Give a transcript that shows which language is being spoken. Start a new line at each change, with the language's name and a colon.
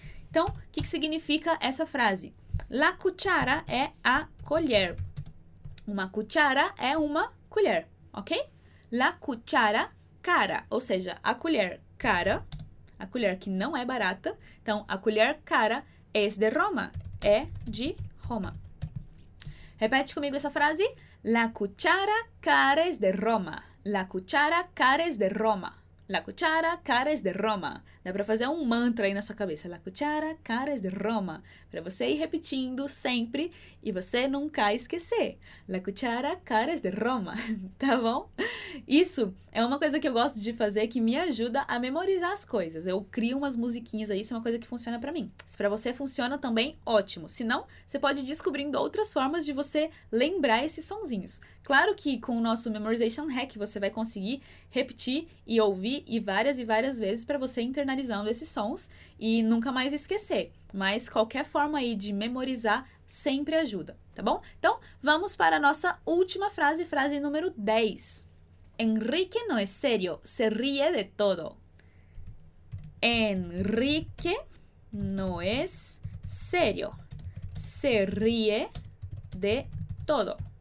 Portuguese: Então, o que significa essa frase? La cuchara é a colher. Uma cuchara é uma colher, ok? La cuchara, cara. Ou seja, a colher cara. A colher que não é barata. Então, a colher cara
Spanish: es de Roma.
Portuguese: É de Roma. Repete comigo essa frase.
Spanish: La cuchara cara es de Roma. La cuchara cara es de Roma. La cuchara cara es de Roma.
Portuguese: Dá para fazer um mantra aí na sua cabeça.
Spanish: La cuchara cara es de Roma.
Portuguese: Para você ir repetindo sempre e você nunca esquecer.
Spanish: La cuchara cara es de Roma.
Portuguese: Tá bom? Isso é uma coisa que eu gosto de fazer que me ajuda a memorizar as coisas. Eu crio umas musiquinhas aí, isso é uma coisa que funciona para mim. Se para você funciona também, ótimo. Se não, você pode ir descobrindo outras formas de você lembrar esses sonzinhos. Claro que com o nosso Memorization Hack você vai conseguir repetir e ouvir e várias vezes para você internalizando esses sons e nunca mais esquecer. Mas qualquer forma aí de memorizar sempre ajuda, tá bom? Então, vamos para a nossa última frase, frase número 10.
Spanish: Enrique no es serio, se ríe de todo. Enrique no es serio, se ríe de todo.